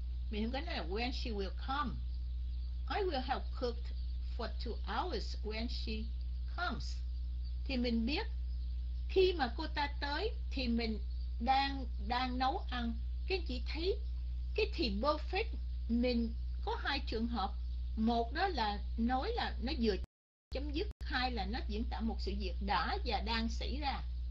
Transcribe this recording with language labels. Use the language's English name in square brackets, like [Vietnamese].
[Vietnamese] Mình không có nói là [English] when she will come. I will have cooked for 2 hours when she comes. [Vietnamese] Thì mình biết khi mà cô ta tới thì mình đang đang nấu ăn. Các chị thấy cái thì perfect mình có 2 trường hợp, một đó là nói là nó vừa chấm dứt, hai là nó diễn tả một sự việc đã và đang xảy ra.